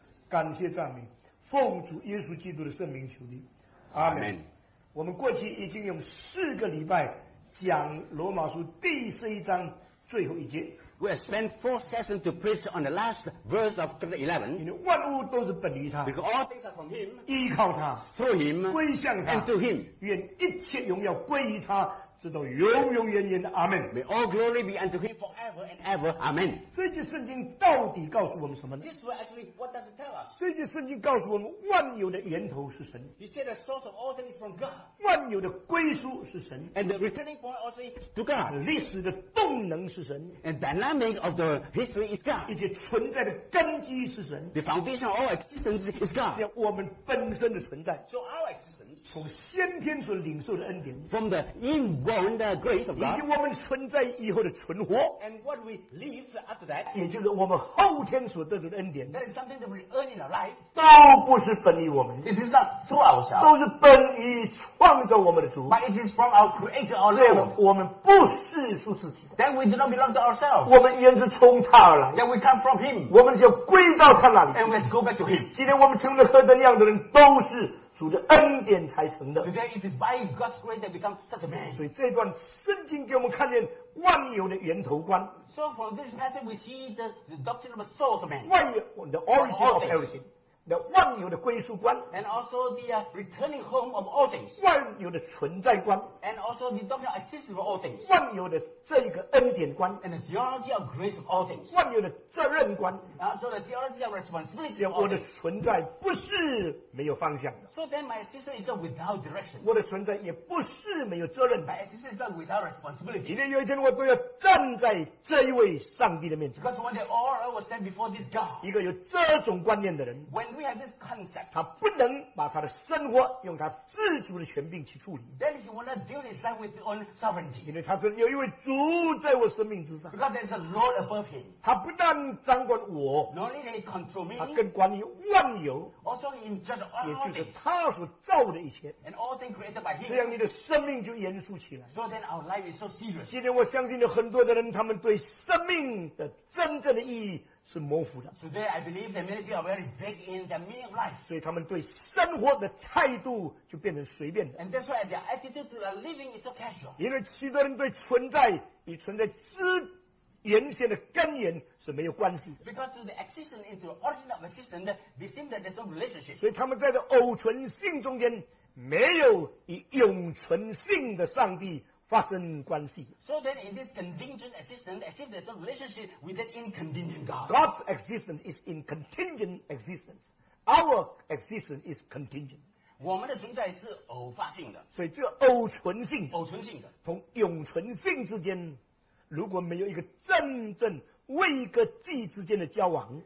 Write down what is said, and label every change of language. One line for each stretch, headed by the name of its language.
Chinese: 感谢赞美，奉主耶稣基督的圣名求的，阿门。我们过去已经用四个礼拜讲罗马书第十一章最后一节。
English: We have spent four sessions to preach on the last verse of chapter 11. You know,
Chinese: 万物都是本于他。
English: Because all things are from him.
Chinese: 依靠他。
English: Through him.
Chinese: 归向他。
English: And to him.
Chinese: 愿一切荣耀归于他，直到永永远远的阿们。
English: May all glory be unto him forever and ever. Amen.
Chinese: 这句圣经到底告诉我们什么呢？
English: This word actually, what does it tell us?
Chinese: 这句圣经告诉我们万有的源头是神。
English: He said the source of all things is from God.
Chinese: 万有的归宿是神。
English: And the returning point also is to God.
Chinese: 历史的动能是神。
English: And dynamic of the history is God.
Chinese: 以及存在的根基是神。
English: The foundation of all existence is God.
Chinese: 是我们本身的存在。
English: So our existence,
Chinese: 从先天所领受的恩典。
English: From the inborn the grace of God,
Chinese: 以及我们存在以后的存活
English: and what we live after that,
Chinese: 也就是我们后天所得到的恩典
English: that is something that we earn in our life,
Chinese: 都不是本于我们
English: it is not through ourselves,
Chinese: 都是本于创造我们的主
English: but it is from our creator, our Lord,
Chinese: 我们不是属自己
English: then we do not belong to ourselves,
Chinese: 我们原是从他而来
English: then we come from him,
Chinese: 我们就归到他那里
English: and we must go back to him,
Chinese: 今天我们成了何等样的人都是主的恩典才成的。
English: Today it is by God's grace that become such a man.
Chinese: 所以这段圣经给我们看见万有的源头观。
English: So from this passage we see the doctrine of a source of man.
Chinese: 万有
English: the origin of everything.
Chinese: The 万有的归宿观。
English: And also the returning home of all things.
Chinese: 万有的存在观。
English: And also the doctrine of existence of all things.
Chinese: 万有的这一个恩典观。
English: And the theology of grace of all things.
Chinese: 万有的责任观。
English: So the theology of responsibility of all things.
Chinese: 我的存在不是没有方向的。
English: So then my existence is not without direction.
Chinese: 我的存在也不是没有责任。
English: My existence is not without responsibility.
Chinese: 今天有一天我都要站在这一位上帝的面前。
English: Because one day all I will stand before this God.
Chinese: 一个有这种观念的人。
English: When we have this concept.
Chinese: 他不能把他的生活用他自主的权柄去处理。
English: Then he will not deal his life with his own sovereignty.
Chinese: 因为他说有一位主在我生命之上。
English: Because there is a Lord above him.
Chinese: 他不但掌管我。
English: Not only can he control me.
Chinese: 他更管理万有。
English: Also in charge of all things.
Chinese: 就是他所造的一切
English: and all things created by him.
Chinese: 这样你的生命就严肃起来
English: so then our life is so serious.
Chinese: 今天我相信有很多的人他们对生命的真正的意义是模糊的
English: today I believe that many people are very vague in the meaning of life.
Chinese: 所以他们对生活的态度就变成随便的
English: and that's why their attitude to the living is so casual.
Chinese: 因为许多人对存在与存在之原先的根源是没有关系的
English: because to the existence into the origin of existence they seem that there's no relationship
Chinese: 所以他们在这偶存性中间没有以永存性的上帝发生关系
English: so then in this contingent existence as if there's no relationship with that incontingent God God's existence is in contingent existence our existence is contingent
Chinese: 我们的存在是偶发性的所以这个偶存性偶存性的同永存性之间如果没有一个真正位格际之间的交往